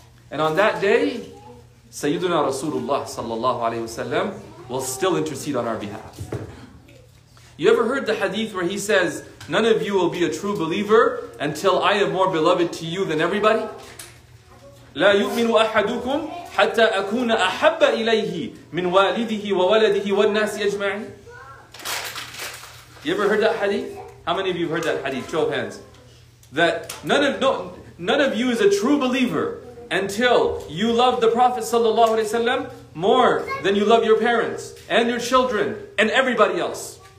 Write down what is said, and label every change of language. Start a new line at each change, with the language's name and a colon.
English: And on that day, Sayyiduna Rasulullah sallallahu alayhi wasallam will still intercede on our behalf. You ever heard the hadith where he says, none of you will be a true believer until I am more beloved to you than everybody?
Arabic: لا يؤمن أحدكم حتى أكون أحب إليه من والده وولده والناس أجمعين.
English: You ever heard that hadith? How many of you have heard that hadith? Show of hands. That none of you is a true believer until you love the Prophet sallallahu alaihi wasallam more than you love your parents and your children and everybody else.